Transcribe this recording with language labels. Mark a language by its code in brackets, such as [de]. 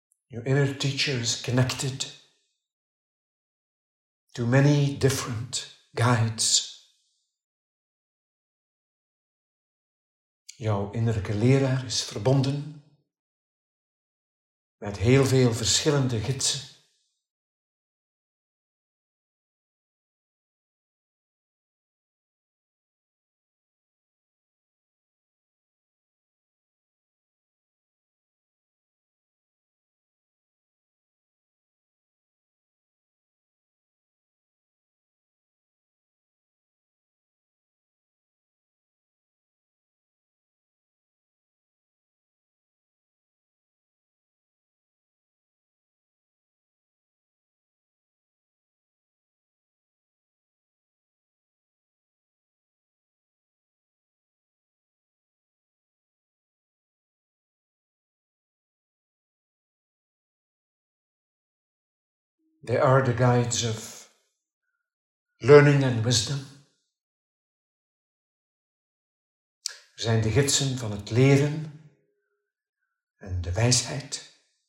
[en] Your inner teacher is connected to many different guides. [nl] Jouw innerlijke leraar is verbonden met heel veel verschillende gidsen. [en] They are the guides of learning and wisdom. [nl] Ze zijn de gidsen van het leren en de wijsheid.